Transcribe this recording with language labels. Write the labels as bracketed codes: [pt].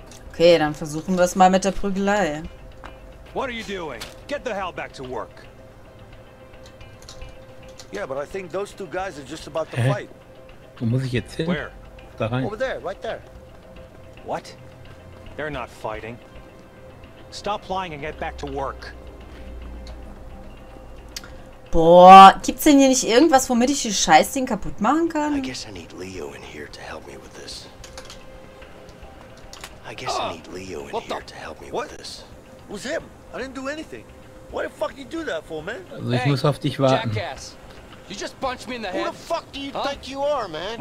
[de] Okay, dann versuchen wir es mal mit der Prügelei. [en] What are you doing? Get the hell back to work. Yeah, but I think those two guys are just about to fight. [de] Wo muss ich jetzt hin? [en] Where? [de] Da rein. [en] Over there, right there. What? They're not fighting. Stop lying and get back to work. [de] Boah, gibt's denn hier nicht irgendwas, womit ich die Scheißding kaputt machen kann? [en] I guess I need Leo in here to help me with this. I guess I need Leo in here to help me with this. It was him. I didn't do anything. Why the fuck you do that for, man? [de] Also ich muss auf dich warten. [en] Jackass. You just punched me in the head. Who the fuck do you think you are, man?